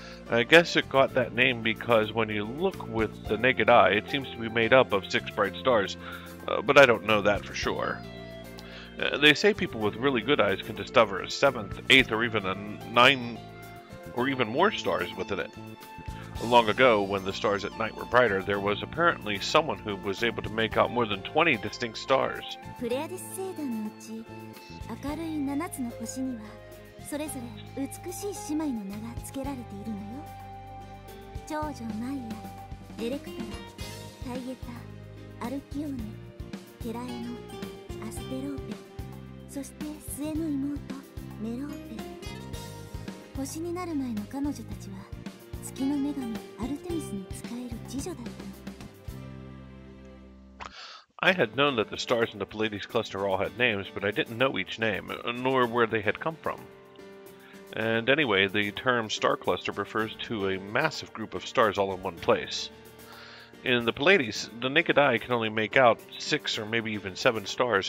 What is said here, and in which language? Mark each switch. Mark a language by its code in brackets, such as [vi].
[en] I guess it got that name because when you look with the naked eye, it seems to be made up of six bright stars, but I don't know that for sure. They say people with really good eyes can discover a seventh, eighth, or even a nine, or even more stars within it. Long ago, when the stars at night were brighter, there was apparently someone who was able to make out more than 20 distinct stars. [ja] Pleiades 星団のうち、明るい7つの星には、それぞれ美しい姉妹の名が付けられているのよ。長女マイヤ、エレクトラ、タイエタ、アルキオネ、ケラエノ、アステローペ、そして末の妹メローペ。星になる前の彼女たちは月の女神アルテミスに仕える侍女だった。 [en] I had known that the stars in the Pleiades cluster all had names, but I didn't know each name, nor where they had come from. And anyway, the term star cluster refers to a massive group of stars all in one place. In the Pleiades, the naked eye can only make out 6 or maybe even 7 stars.